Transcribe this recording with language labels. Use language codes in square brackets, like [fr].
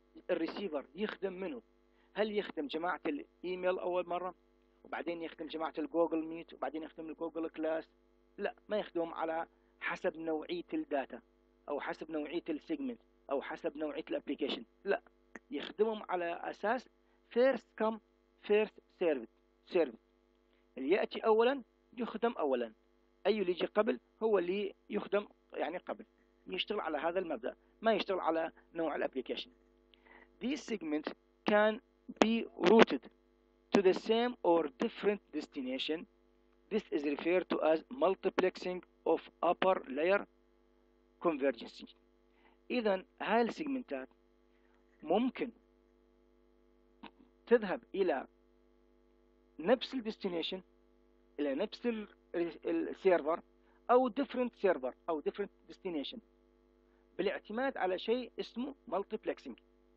[ar] الريسيفر يخدم منه، هل يخدم جماعه الايميل اول مره وبعدين يخدم جماعه الجوجل ميت وبعدين يخدم الجوجل كلاس؟ لا، ما يخدمهم على حسب نوعيه الداتا او حسب نوعيه السيجمنت او حسب نوعيه الابلكيشن، لا يخدمهم على اساس [en] first come first serve, [ar] اللي ياتي اولا يخدم اولا، اي اللي يجي قبل هو اللي يخدم يعني قبل. يشتغل على هذا المبدا، ما يشتغل على نوع الابلكيشن. [en] This segment can be routed to the same or different destination. This is referred to as multiplexing of upper layer convergence. [ar] اذا هاي السيجمنتات ممكن تذهب الى نفس الديستنيشن، الى نفس السيرفر او [en] different server [ar] او [en] different destination [ar] بالاعتماد على شيء اسمه multiplexing.